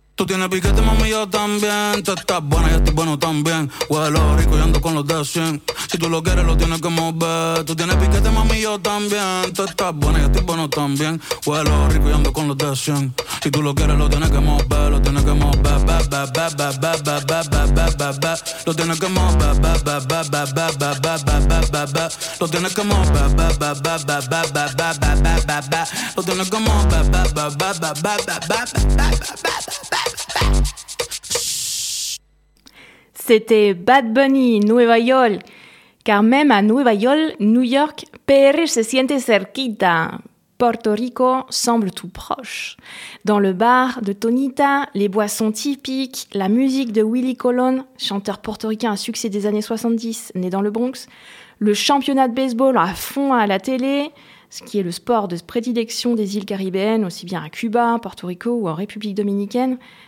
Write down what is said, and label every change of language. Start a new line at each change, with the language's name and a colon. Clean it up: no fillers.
Spanish: Tiene piquete, mami, yo también. Tú estás buena, yo estoy bueno también. Huelo rico y ando con los de 100. Si tú lo quieres, lo tienes que mover. Tú tienes piquete, mami, yo también. Tú estás buena, yo estoy bueno también. Huelo rico y ando con los de 100. Si tú lo quieres, lo tienes que mover. Lo tienes que mover. Ba, ba, ba, ba, ba, ba, ba, ba, ba, ba. Lo tienes que mover. Ba, ba, ba, ba, ba, ba, ba, ba, ba, ba, ba. Lo tienes que mover. Ba, ba, ba, ba, ba, ba, ba, ba, ba, ba, ba. Lo tienes que mover. Ba, ba, ba, ba, ba, ba, ba, ba, ba, ba, ba.
French: C'était Bad Bunny, Nueva York. Car même à Nueva York, New York, PR
Spanish: se siente cerquita.
French: Puerto Rico semble tout proche. Dans le bar de Tonita, les boissons typiques, la musique de Willie Colon, chanteur portoricain à succès des années 70, né dans le Bronx, le championnat de baseball à fond à la télé, ce qui est le sport de prédilection des îles caribéennes, aussi bien à Cuba, Porto Rico ou en République dominicaine.